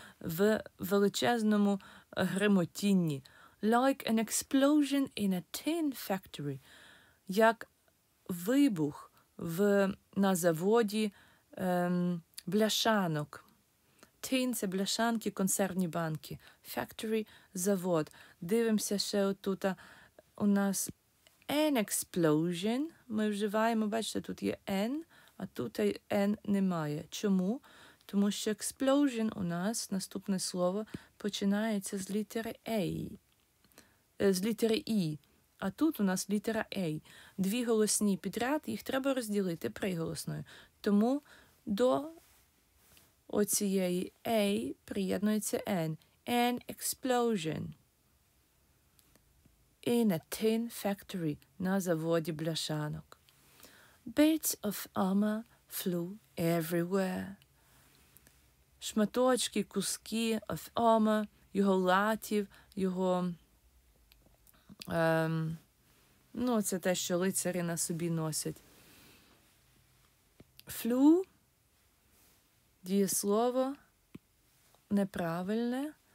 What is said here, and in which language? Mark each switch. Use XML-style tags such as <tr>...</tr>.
<uk>В величезному гримотінні.</uk> <en>Like an explosion in a tin factory.</en> <uk>Як вибух на заводі бляшанок. Tin – це бляшанки, консервні банки. Factory – завод. Дивимося ще отут. У нас</uk> <en>an explosion.</en> <uk>Ми вживаємо, бачите, тут є n, а тут n немає. Чому? Тому що explosion у нас, наступне слово, починається з літери A. З літери E. А тут у нас літера A. Дві голосні підряд, їх треба розділити приголосною. Тому до оцієї A приєднується N.</uk> <en>An explosion. In a tin factory.</en> <uk>На заводі бляшанок.</uk> <en>Bits of armor flew everywhere.</en> <uk>Шматочки, куски</uk> <en>of armor,</en> <uk>його латів, його... ну, це те, що лицарі на собі носять. Флю – дієслово неправильне.</uk>